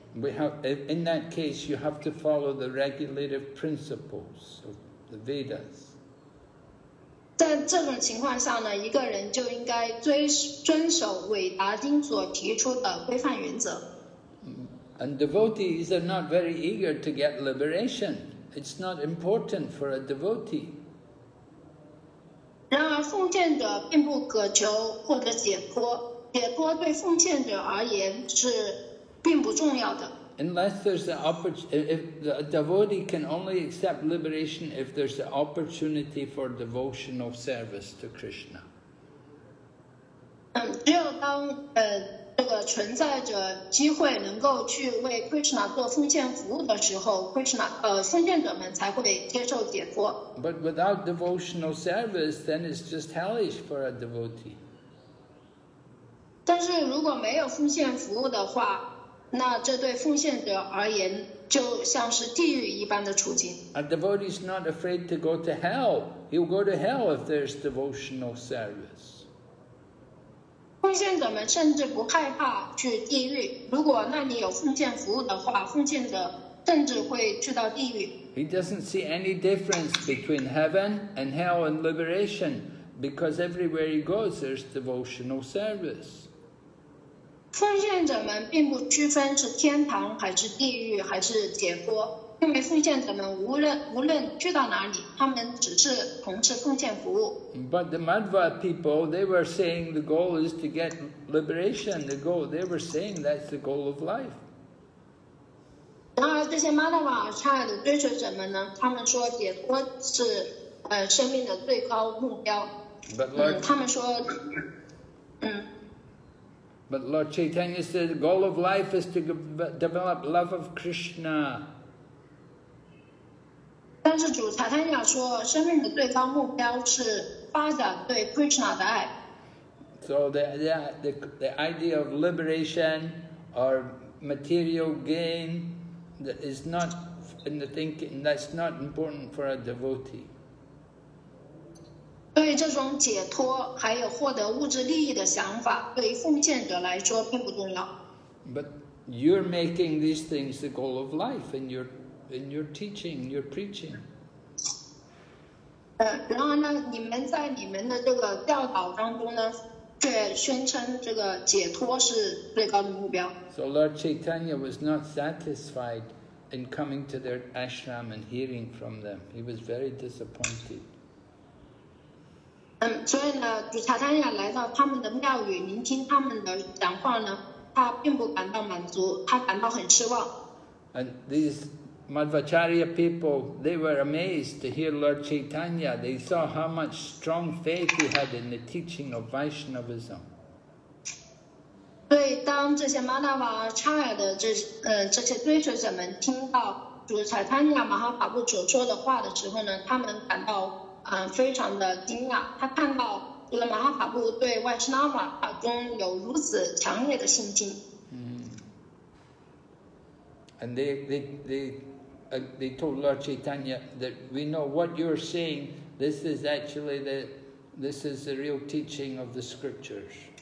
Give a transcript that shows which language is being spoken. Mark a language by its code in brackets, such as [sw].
[en] We have in that case, you have to follow the regulative principles of the Vedas. [zh] 在这种情况下呢，一个人就应该遵守韦达经所提出的规范原则。 [en] And devotees are not very eager to get liberation. It's not important for a devotee. [zh] 然而奉献者并不渴求获得解脱，解脱对奉献者而言是并不重要的。 [en] Unless there's an opportunity, if the devotee can only accept liberation if there's an opportunity for devotional service to Krishna. [zh] 只有当这个存在着机会能够去为 Krishna 做奉献服务的时候 ，Krishna 奉献者们才会接受解脱。 [en] But without devotional service, then it's just hellish for a devotee. [zh] 但是如果没有奉献服务的话，那这对奉献者而言就像是地狱一般的处境。 [en] A devotee is not afraid to go to hell. He'll go to hell if there's devotional service. [zh] 奉献者们甚至不害怕去地狱。如果那里有奉献服务的话，奉献者甚至会去到地狱。 [en] He doesn't see any difference between heaven and hell and liberation because everywhere he goes, there's devotional service. [zh] 奉献者们并不区分是天堂还是地狱还是解脱，因为奉献者们无论去到哪里，他们只是从事奉献服务。 [en] But the Madhva people, they were saying the goal is to get liberation. The goal, they were saying that's the goal of life. [zh] 然而这些 Madhva 派的追求者们呢，他们说解脱是生命的最高目标。 [en] But Lord, [zh] 他们说， [en] But Lord Chaitanya said, the goal of life is to develop love of Krishna. [zh] 但是主查坦雅说，生命的最高目标是发展对 Krishna 的爱。 [en] So the idea of liberation or material gain that is not in the thinking, that's not important for a devotee. [zh] 对这种解脱还有获得物质利益的想法，对于奉献者来说并不重要。 [en] But you're making these things the goal of life in your teaching, your preaching. [zh] 然后呢，你们在你们的这个教导当中呢，却宣称这个解脱是最高的目标。 [en] So Lord Chaitanya was not satisfied in coming to their ashram and hearing from them. He was very disappointed. [zh] 所以呢，主查坦雅来到他们的庙宇，聆听他们的讲话呢，他并不感到满足，他感到很失望。 [en] And these Madhvacharya people, they were amazed to hear Lord Chaitanya. They saw how much strong faith he had in the teaching of Vaishnavism. [zh] 对，当这些 Madhvacharya 的这些追随者们听到主查坦雅马哈法布所说的话的时候呢，他们感到。非常的惊讶，他看到这个马哈法布对外斯拉玛法中有如此强烈的信心。 [en] And they told Lord Chaitanya that we know what you're saying. This is actually the real teaching of the scriptures.